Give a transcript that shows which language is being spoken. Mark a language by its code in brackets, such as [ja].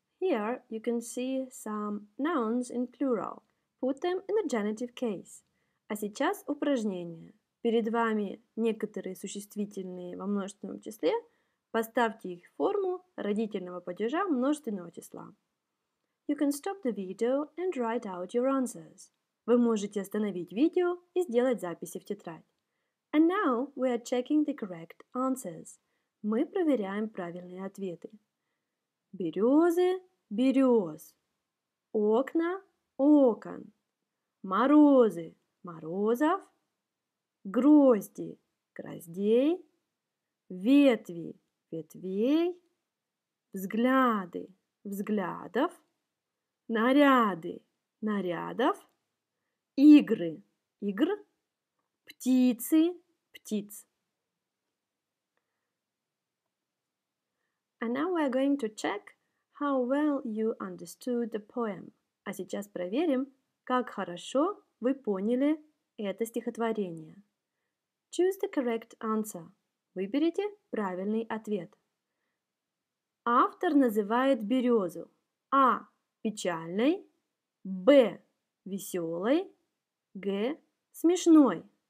[en] Here you can see some nouns in plural. Put them in the genitive case. [ru] А сейчас упражнение. Перед вами некоторые существительные во множественном числе. Поставьте их в форму родительного падежа множественного числа. [en] You can stop the video and write out your answers. [ru] Вы можете остановить видео и сделать записи в тетрадь. [en] And now we are checking the correct answers. [ru] Мы проверяем правильные ответы. Березы – берез. Окна – окон. Морозы – морозов. Грозди – гроздей. Ветви – ветвей. Взгляды – взглядов. Наряды – нарядов. Игры – игр. Птицы – птиц. [en] And now we are going to check how well you understood the poem. [ru] А сейчас проверим, как хорошо вы поняли это стихотворение. [en] Choose the correct answer. [ru] Выберите правильный ответ. Автор называет березу А. печальной, Б. веселой, Г. смешной.